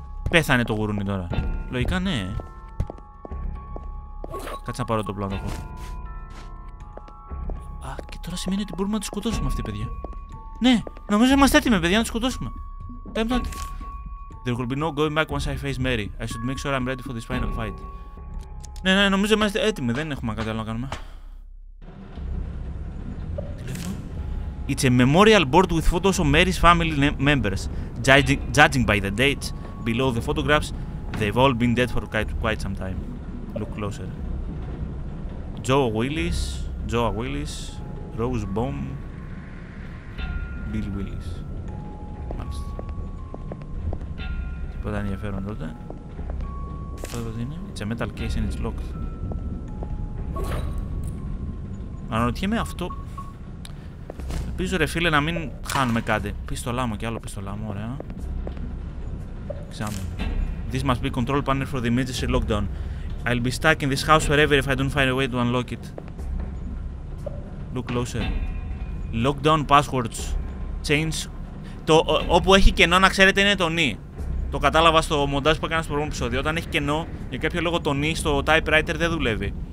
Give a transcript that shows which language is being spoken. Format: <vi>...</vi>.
<el>Πέθανε το γουρούνι τώρα. Λογικά, ναι. Κάτσε να πάρω το πλάνο. Α, και τώρα σημαίνει ότι μπορούμε να τη σκοτώσουμε αυτή, παιδιά. Ναι, νομίζω είμαστε έτοιμοι, παιδιά, να τη σκοτώσουμε. Πέμπτο.</el> <en>There will be no going back once I face Mary. I should make sure I'm ready for this final fight.</en> <el>Ναι, ναι, νομίζω είμαστε έτοιμοι. Δεν έχουμε κάτι άλλο να κάνουμε.</el> <en>It's a memorial board with photos of Mary's family members. Judging by the dates below the photographs, they've all been dead for quite some time. Look closer. Joe Willis, Rose Baum, Bill Willis.</en> <el>Τίποτα ενδιαφέρον τότε. Αυτό είναι.</el> <en>It's a metal case and it's locked.</en> <el>Αναρωτιέμαι αυτό. Ελπίζω ρε φίλε να μην χάνουμε κάτι. Πίστολά μου και άλλο πίστολά μου. Ωραία. Ξάμε.</el> <en>This must be control panel for the emergency lockdown. I'll be stuck in this house forever if I don't find a way to unlock it. Look closer. Lockdown passwords. Change</en> <el>Το, όπου έχει κενό, να ξέρετε, είναι το νι. Το κατάλαβα στο μοντάζ που έκανα στο προηγούμενο επεισόδιο. Όταν έχει κενό, για κάποιο λόγο το νι στο typewriter δεν δουλεύει.</el>